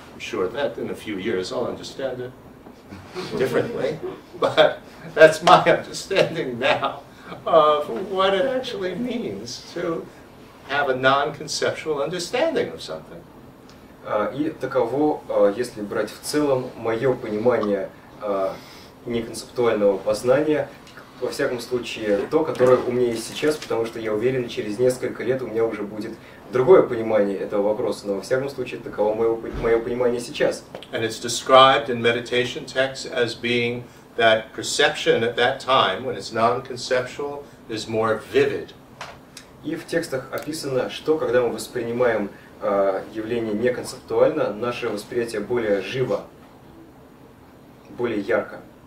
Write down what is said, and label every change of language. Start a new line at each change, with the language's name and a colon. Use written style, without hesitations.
English: I'm sure that in a few years I'll understand it differently. But that's my understanding now of what it actually means to have a non-conceptual understanding of something.
Russian: И таково, если брать в целом, мое понимание неконцептуального познания. Во всяком случае, то, которое у меня есть сейчас, потому что я уверен, через несколько лет у меня уже будет другое понимание этого вопроса, но во всяком случае, таково мое понимание сейчас.
English: And it's described in meditation texts as being that perception at that time, when it's non-conceptual, is more vivid.
Russian: И в текстах описано, что когда мы воспринимаем явление неконцептуально, наше восприятие более живо, более ярко.